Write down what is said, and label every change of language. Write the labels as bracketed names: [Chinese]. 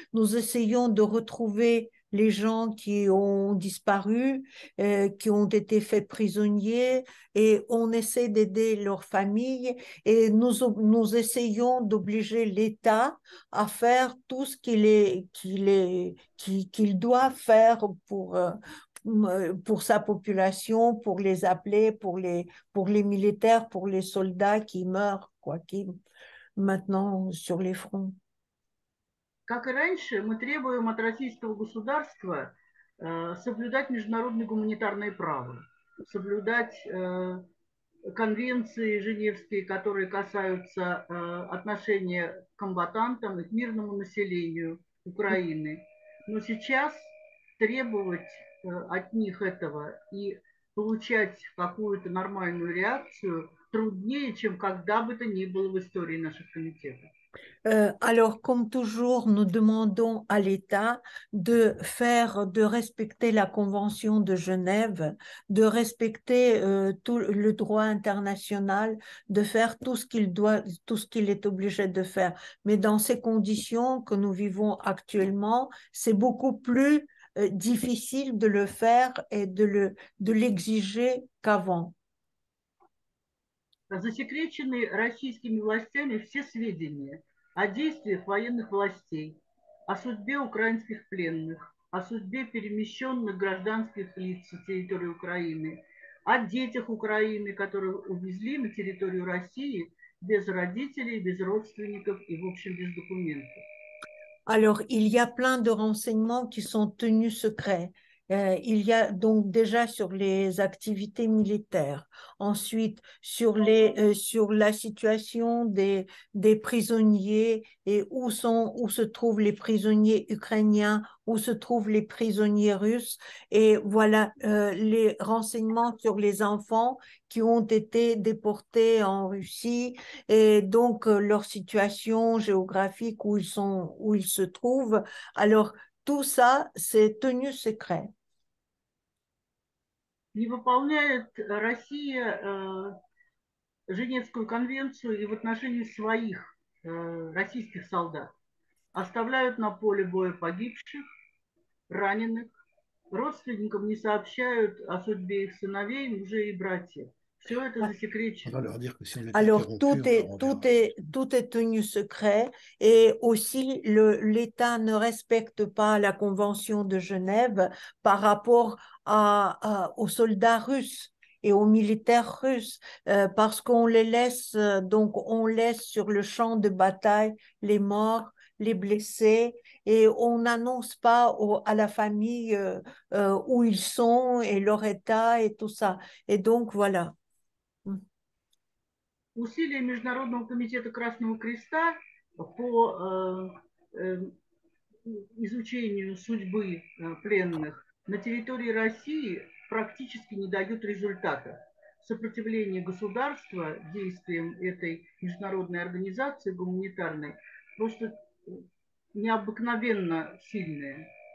[French] Nous essayons de retrouver les gens qui ont disparu, qui ont été faits prisonniers, et on essaie d'aider leurs familles, et nous essayons d'obliger l'État à faire tout ce qu'il doit faire pour sa population, pour les appelés, pour les militaires, pour les soldats qui meurent, quoi, qui maintenant sur les fronts. [Russian] Как и раньше, мы требуем от российского государства соблюдать международное гуманитарное право, соблюдать конвенции женевские, которые касаются отношения к комбатантам и к мирному населению Украины. Но сейчас требовать от них этого и получать какую-то нормальную реакцию труднее, чем когда бы то ни было в истории наших комитетов. [French] Alors, comme toujours, nous demandons à l'État de respecter la Convention de Genève, de respecter tout le droit international, de faire tout ce qu'il est obligé de faire. Mais dans ces conditions que nous vivons actuellement, c'est beaucoup plus difficile de le faire et de l'exiger qu'avant. [Russian] Засекречены российскими властями все сведения о действиях военных властей, о судьбе украинских пленных, о судьбе перемещенных гражданских лиц с территории Украины, о детях Украины, которые увезли на территорию России без родителей, без родственников и, в общем, без документов. [French] Alors, il y a plein de renseignements qui sont tenus secrets. Il y a donc déjà sur les activités militaires, ensuite sur sur la situation des prisonniers et où se trouvent les prisonniers ukrainiens, où se trouvent les prisonniers russes, et voilà les renseignements sur les enfants qui ont été déportés en Russie et donc leur situation géographique où ils sont, où ils se trouvent. Alors, tout ça, c'est tenu secret. [Russian] Не выполняет Россия Женевскую конвенцию и в отношении своих российских солдат. Оставляют на поле боя погибших, раненых. Родственникам не сообщают о судьбе их сыновей, мужей и братьев. Все это [French] On va [Russian] засекречено. [French] leur dire que si on est Alors, interrompu, on leur enverra. tout est tenu secret et aussi l'État ne respecte pas la Convention de Genève par rapport aux soldats russes et aux militaires russes parce qu'on les laisse, donc on laisse sur le champ de bataille les morts, les blessés et on n'annonce pas à la famille où ils sont et leur état et tout ça. Et donc, voilà. [Russian] Усилия Международного комитета Красного Креста по изучению судьбы пленных на территории России практически не дают результата. Сопротивление государства действиям этой международной организации гуманитарной просто необыкновенно сильное.